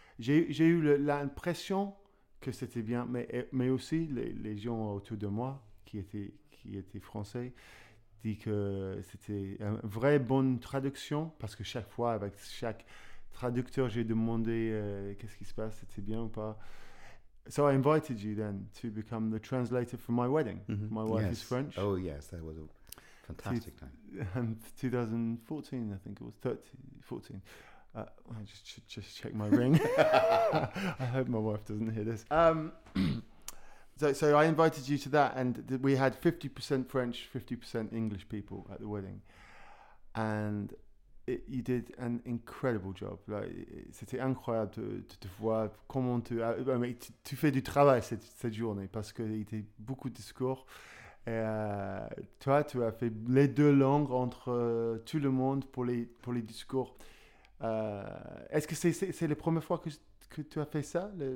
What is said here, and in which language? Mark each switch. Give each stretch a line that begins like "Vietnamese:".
French: J'ai eu l'impression que c'était bien, mais aussi les gens autour de moi qui étaient français disent que c'était une vraie bonne traduction, parce que chaque fois, avec chaque traducteur, j'ai demandé qu'est-ce qui se passe, c'était bien ou pas.
English: So I invited you then to become the translator for my wedding. Mm-hmm. My wife yes. is French. Oh yes, that was a fantastic time. And 2014, I think it was, 2014. I just check my ring. I hope my wife doesn't hear this. So I invited you to that, and we had 50% French, 50% English people at the wedding. And you did an incredible job.
French: C'était incroyable de voir comment tu fais du travail cette journée, parce qu'il y a beaucoup de discours. Toi, tu as fait les deux langues entre tout le monde pour les discours. Est-ce que c'est la première fois que tu as fait ça